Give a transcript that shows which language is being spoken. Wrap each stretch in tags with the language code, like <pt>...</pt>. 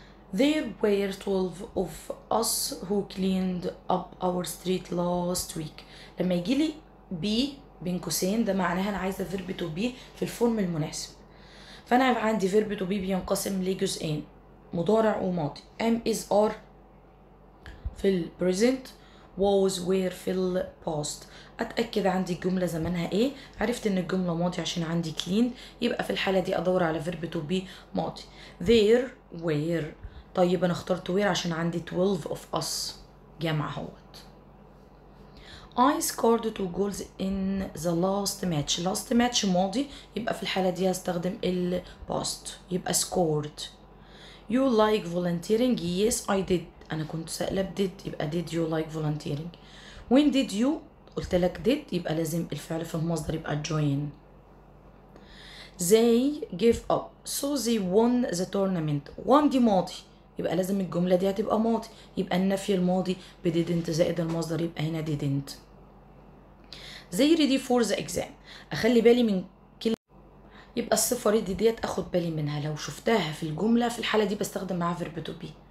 <en>There were 12 of us who cleaned up our street last week.</en> <ar>لما يجي لي بي بين قوسين ده معناها انا عايزه فيرب تو بي في الفورم المناسب. فانا عندي فيرب تو بي بينقسم لجزئين، مضارع وماضي. ام از ار في البريزنت، واز وير في الباست. اتاكد عندي الجمله زمانها ايه، عرفت ان الجمله ماضي عشان عندي كلين، يبقى في الحاله دي ادور على فيرب تو بي ماضي. ذير وير، طيب انا اخترت وير عشان عندي 12 اوف اس جمع اهوت.</ar> <en>I scored two goals in the last match.</en> <ar>Last match ماضي، يبقى في الحالة دي هستخدم ال past، يبقى scored.</ar> <en>You like volunteering? Yes I did.</en> <ar>أنا كنت سألة</ar> <en>did، يبقى did you like volunteering. When did you؟</en> <ar>قلت لك did، يبقى لازم الفعل في المصدر يبقى join.</ar> <en>They gave up so they won the tournament.</en> <ar>Won دي ماضي، يبقى لازم الجملة دي هتبقى ماضي، يبقى النفي الماضي ب didn't زائد المصدر يبقى هنا didn't. زي</ar> <en>ready for the exam،</en> <ar>اخلي بالي من كل. يبقى الصفة ready ديت اخد بالي منها، لو شفتها في الجملة في الحالة دي بستخدم معاها verb to be.</ar>